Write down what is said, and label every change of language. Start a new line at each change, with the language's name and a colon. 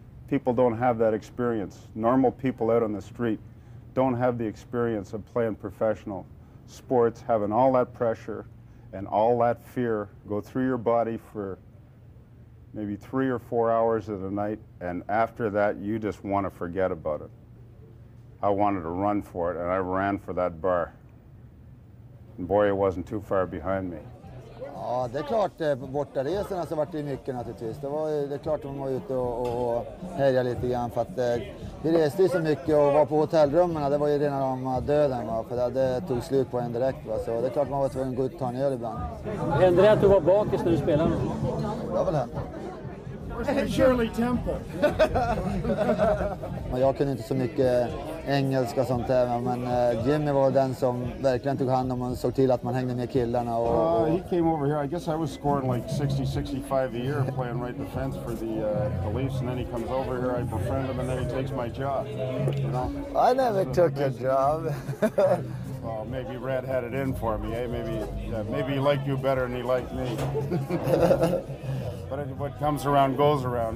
English: People don't have that experience. Normal people out on the street don't have the experience of playing professional sports, having all that pressure and all that fear go through your body for maybe 3 or 4 hours of the night, and after that, you just want to forget about it. I wanted to run for it, and I ran for that bar. And boy, it wasn't too far behind me.
Swedish: Ja, det är klart borta resorna så vart det mycket naturligtvis. Det är klart man var ute och härjade lite grann för att vi reste ju så mycket och var på hotellrummen. Det var ju rena rama döden va, för det tog slut på en direkt va. Så det är klart man var tvungen att gå ut och ta en öl ibland. Hände det att du var bakis när du spelade? Det var väl hänt.
English: Shirley Temple.
Swedish: Jag kunde inte så mycket engelska sånt där, men Jimmy var den som verkligen tog hand om och såg till att man hängde med killarna.
English: He came over here. I guess I was scoring like 60-65 a year playing right defense for the Leafs, and then he comes over here. I befriend him, and then he takes my job. You know? I never took a job. Well, maybe Red had it in for me. Hey, maybe he liked you better than he liked me. But what comes around goes around.